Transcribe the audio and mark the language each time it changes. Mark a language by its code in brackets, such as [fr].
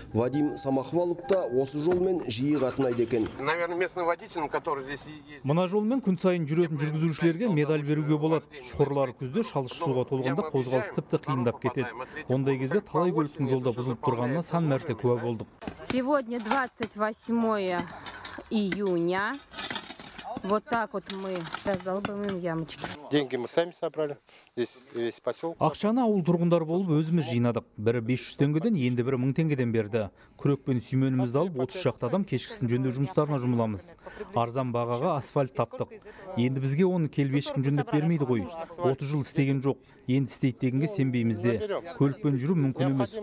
[kk] Вадим Самахов алып та осы жолмен жиі қатынайды екен. Мына жолмен күн сайын жүретін жүргізушілерге медаль беруге болады. Шұқырлар күзде шалшы суға толғанда қозғалыс тіпті қиындап кетеді. Ондай кезде талай көліктің жолда бұзылып тұрғанына сан мәрте куә болдық. [ru] Сегодня 28 июня. Вот так вот мы сейчас залпываем ямочки. Деньги мы сами собрали. Здесь весь поселок. [kk] Ақшаны ауыл тұрғындар болып өзіміз жинадық. Бірі 500 теңгеден, енді бірі 1000 теңгеден берді. Күрек пен сүйменімізді алып 30 шақты адам кешкісін жөндеу жұмыстарына жұмыламыз. Арзан бағаға асфальт таптық. Енді бізге оны келбе ешкім жөндеп бермейді ғой. 30 жыл істеген жоқ. Енді істейді дегенге сенбейміз де. Көлікпен жүру мүмкін емес.